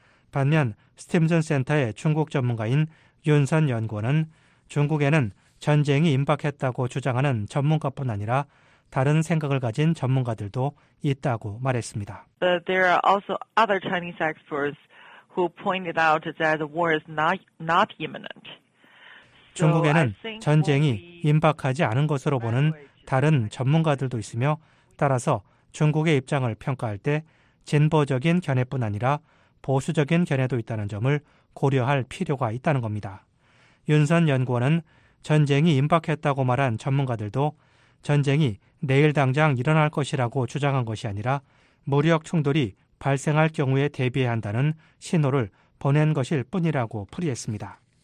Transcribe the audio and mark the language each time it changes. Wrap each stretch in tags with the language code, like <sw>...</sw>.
<ko>반면 스팀슨 센터의 중국 전문가인 윤선 연구원은 중국에는 전쟁이 임박했다고 주장하는 전문가뿐 아니라 다른 생각을 가진 전문가들도 있다고 말했습니다.</ko> <en>But there are also other Chinese experts who pointed out that the war is not imminent.</en> <ko>중국에는 전쟁이 임박하지 않은 것으로 보는 다른 전문가들도 있으며 따라서 중국의 입장을 평가할 때 진보적인 견해뿐 아니라 보수적인 견해도 있다는 점을 고려할 필요가 있다는 겁니다. 윤선 연구원은 전쟁이 임박했다고 말한 전문가들도 전쟁이 내일 당장 일어날 것이라고 주장한 것이 아니라 무력 충돌이 발생할 경우에 대비해야 한다는 신호를 보낸 것일 뿐이라고 풀이했습니다.</ko>